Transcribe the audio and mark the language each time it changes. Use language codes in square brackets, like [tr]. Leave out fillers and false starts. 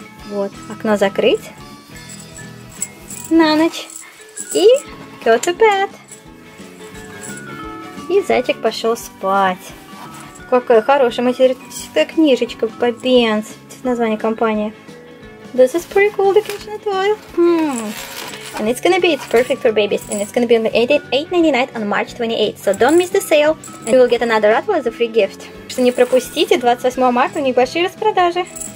[ru] Вот, окно закрыть. На ночь. И [en] go to bed. [ru] И зайчик пошел спать. Какая хорошая материнская книжечка по B&N's. Название компании. [en] This is pretty cool, the kitchen toy. And it's gonna be, it's perfect for babies. And it's gonna be on the $8.99 on March 28th. So don't miss the sale. And you will get another rattle as a free gift. [ru] Что не пропустите, 28 марта небольшие распродажи.